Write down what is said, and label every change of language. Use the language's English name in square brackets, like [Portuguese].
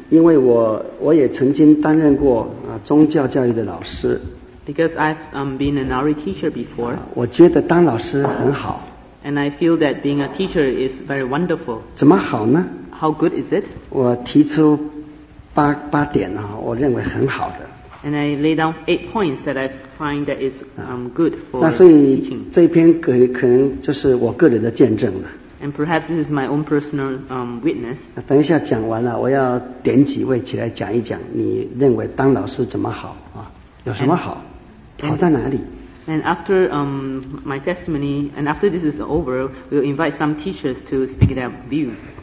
[Chinese] 因为我也曾经担任过宗教教育的老师。 [English] Because I've been an outreach teacher before. [Chinese] 我觉得当老师很好。 [English] And I feel that being a teacher is very wonderful. [Chinese] 怎么好呢？ [English] How good is it? [Chinese] 我提出八点，我认为很好的。 [English] And I lay down 8 points that I find that is good for teaching. [Chinese] 那所以这篇可能就是我个人的见证了。 [English] And perhaps this is my own personal witness. [Chinese] 等一下讲完了，我要点几位起来讲一讲，你认为当老师怎么好啊？有什么好？好在哪里？ [English] And after my testimony, and after this is over, we'll invite some teachers to speak their view.